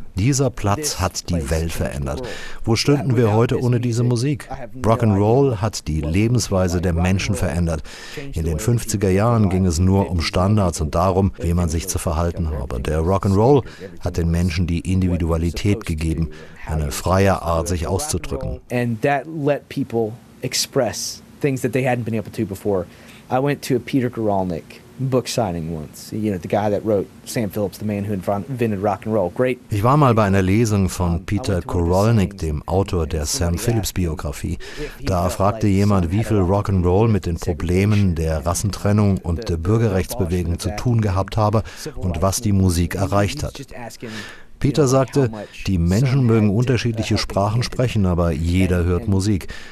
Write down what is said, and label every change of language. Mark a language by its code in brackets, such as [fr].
[de] Dieser Platz hat die Welt verändert. Wo stünden wir heute ohne diese Musik? Rock'n'Roll hat die Lebensweise der Menschen verändert. In den 50er Jahren ging es nur um Standards und darum, wie man sich zu verhalten habe. Der Rock'n'Roll hat den Menschen die Individualität gegeben, eine freie Art, sich auszudrücken. [en] And that let people express things that they hadn't been able to before. I went to a Peter Guralnick book signing once. You know, the guy that wrote Sam Phillips, the man who invented rock and roll. Great. [de] Ich war mal bei einer Lesung von Peter Guralnick, dem Autor der Sam Phillips Biografie. Da fragte jemand, wie viel Rock and Roll mit den Problemen der Rassentrennung und der Bürgerrechtsbewegung zu tun gehabt habe und was die Musik erreicht hat. Peter sagte, die Menschen mögen unterschiedliche Sprachen sprechen, aber jeder hört Musik.